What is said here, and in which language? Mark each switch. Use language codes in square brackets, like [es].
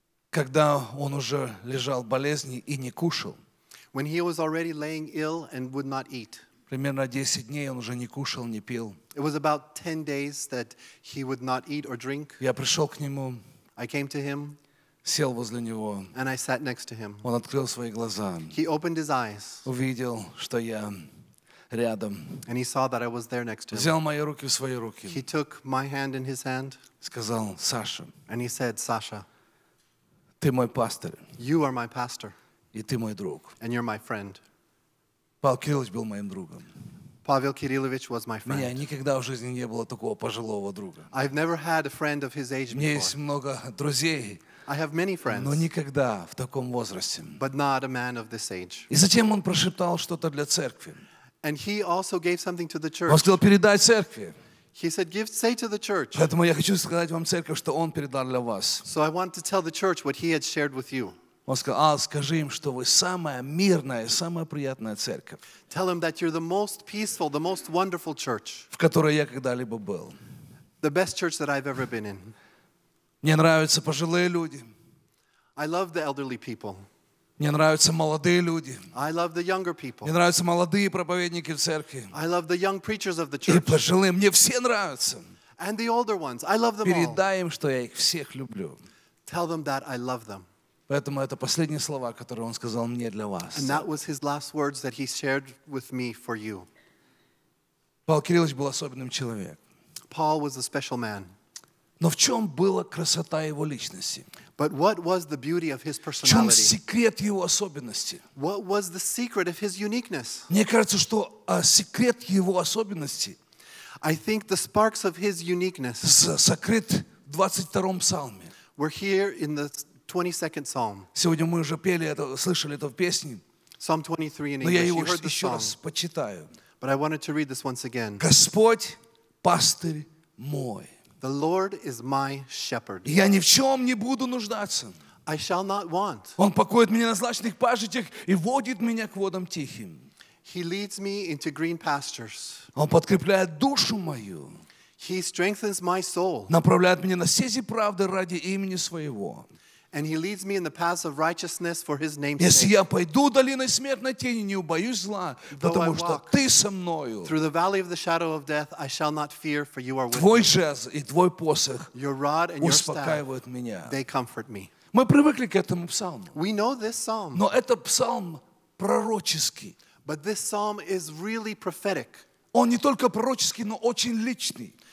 [ru] Когда он уже лежал в болезни и не кушал. [en] When he was already laying ill and would not eat. [ru] Примерно 10 дней он уже не кушал, не пил. [en] It was about 10 days that he would not eat or drink. [ru] Я пришел к нему. [en] I came to him. [ru] Сел возле него. [en] And I sat next to him. [ru] Он открыл свои глаза. [en] He opened his eyes. [ru] Увидел, что я рядом. [en] And he saw that I was there next to him. [ru] Взял мои руки в свои руки. [en] He took my hand in his hand. [ru] Сказал: «Саша». [en] And he said, «Саша». [ru] Ты мой пастор. [en] You are my pastor. [ru] И ты мой друг. [en] And you're my friend. [ru] Павел Кириллович был моим другом. [en] Павел Кириллович was my friend. [ru] У меня никогда в жизни не было такого пожилого друга. [en] I've never had a friend of his age before. [ru] У меня есть много друзей. [en] I have many friends. [ru] Но никогда в таком возрасте. [en] But not a man of this age. [ru] И затем он прошептал что-то для церкви. [en] And he also gave something to the church. [ru] Он сказал: «Передай церкви». [en] He said, "Give, say to the church." [ru] Поэтому я хочу сказать вам, церковь, что он передал для вас. [en] So I want to tell the church what he had shared with you. [ru] Он сказал: «А, скажи им, что вы самая мирная, самая приятная церковь». [en] Tell them that you're the most peaceful, the most wonderful church. [ru] В которой я когда-либо был. [en] The best church that I've ever been in. [ru] Мне нравятся пожилые люди. [en] I love the elderly people. [ru] Мне нравятся молодые люди. [en] I love the younger people. [ru] Мне нравятся молодые проповедники в церкви. [en] I love the young preachers of the church. [ru] И пожилые, мне все нравятся. [en] And the older ones. I love them all. [ru] Передай им, что я их всех люблю. [en] Tell them that I love them. [ru] Поэтому это последние слова, которые он сказал мне для вас. [en] And that was his last words that he shared with me for you. [ru] Павел Кириллович был особенным человеком. [en] Paul was a special man. [ru] Но в чем была красота его личности? [en] But what was the beauty of his personality? [ru] В чем секрет его особенности? [en] What was the secret of his uniqueness? [ru] Мне кажется, что секрет его особенности, [en] I think the sparks of his uniqueness, [ru] сокрыт в 22-м псалме. [en] We're here in the 22nd psalm. [ru] Сегодня мы уже пели это, слышали это в песне. [en] Psalm 23 in English. [ru] Но я его еще раз почитаю. [en] But I wanted to read this once again. [ru] Господь, пастырь мой. [en] The Lord is my shepherd. [ru] Я ни в чем не буду нуждаться. [en] I shall not want. [ru] Он покоит меня на злачных пажитях и водит меня к водам тихим. [en] He leads me into green pastures. [ru] Он подкрепляет душу мою. [en] He strengthens my soul. [ru] Направляет меня на стези правды ради имени своего. [en] And he leads me in the paths of righteousness for his name's sake. [ru] Если я пойду долиной смертной тени, не убоюсь зла, потому что ты со мною. [en] Through the valley of the shadow of death, I shall not fear, for you are with me. [ru] Твой жезл и твой посох [en] your rod and your staff, [ru] успокаивают меня. [en] They comfort me. [ru] Мы привыкли к этому псалму. [en] We know this psalm. [ru] Но это псалм пророческий. [en] But this psalm is really prophetic. [ru] Он не только пророческий, но очень личный.